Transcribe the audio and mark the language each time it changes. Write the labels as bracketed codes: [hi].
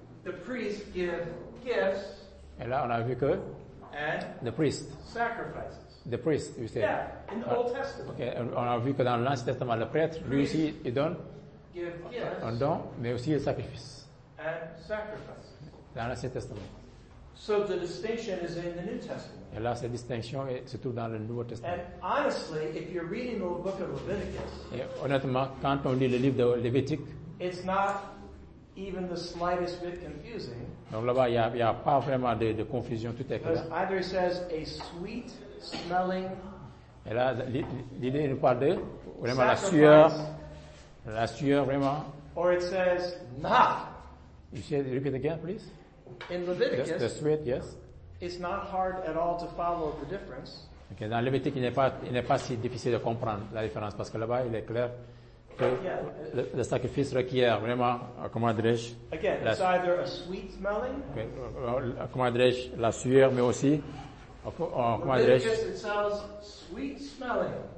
[en] The priest give gifts. [fr] Et là, on a vu que [en] and the priest sacrifices. The priest, you say. Yeah, in the Old Testament. [fr] Okay, on a vu que dans l'Ancien Testament, le prêtre, lui aussi, il donne un don, mais aussi le sacrifice. [en] And sacrifice. So the distinction is in the New Testament. [fr] Et là, cette distinction se trouve dans le Nouveau Testament. [en] And honestly, if you're reading the book of Leviticus, [fr] et honnêtement, quand on lit le livre de Lévitique, [en] it's not even the slightest bit confusing. [fr] Donc là-bas, il y a pas vraiment de confusion, tout est clair. [en] Either it says a sweet smelling. [fr] Et là, l'idée nous parle de vraiment la sueur vraiment. [en] Or it says not. You said repeat again, please. In Leviticus, the sweat, yes. It's not hard at all to follow the difference. [fr] Okay, dans Leviticus, il n'est pas si difficile de comprendre la différence parce que là-bas, il est clair que le sacrifice requiert vraiment, comment dirais-je? [en] Again, it's either a sweet smelling. [fr] Okay, comment dirais-je? La sueur, mais aussi, comment dirais-je? [en] Leviticus, it sounds sweet smelling.